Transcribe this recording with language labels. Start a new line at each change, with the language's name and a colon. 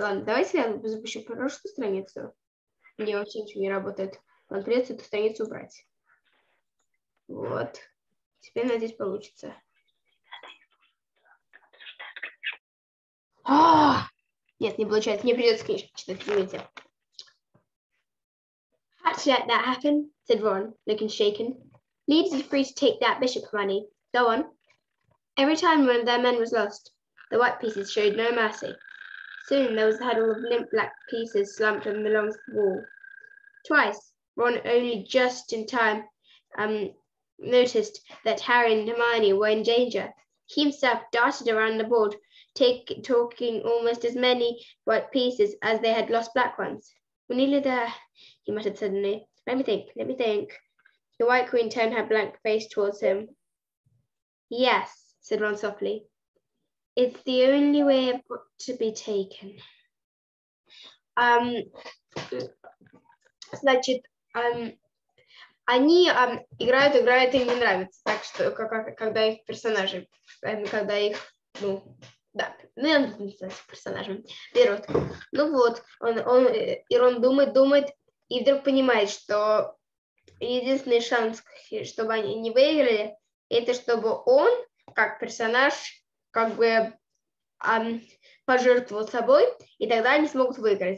Russian: Ладно, давайте я запущу прошлую страницу. Мне вообще ничего не работает. Вам придется эту страницу убрать. Вот. Теперь, надеюсь, получится. Нет, не получается. Мне придется книжку читать. Извините.
English: Watch that, that happen, said Ron, looking shaken. Leaves you free to take that bishop, Hermione. Go on. Every time one of their men was lost, the white pieces showed no mercy. Soon there was a huddle of limp black pieces slumped on the long wall. Twice, Ron only just in time noticed that Harry and Hermione were in danger. He himself darted around the board, taking almost as many white pieces as they had lost black ones. We're nearly there, he muttered suddenly. Let me think, let me think. The White Queen turned her blank face towards him. Yes, said Ron softly. It's the only way I've got to be taken.
Russian: Значит, они играют, им не нравится, так что когда их персонажи, когда их, ну, да. Ну, я не знаю, персонажем. Берут. Ну вот, он, и Рон думает, и вдруг понимает, что единственный шанс, чтобы они не выиграли, это чтобы он, как персонаж, как бы пожертвовал собой, и тогда они смогут выиграть.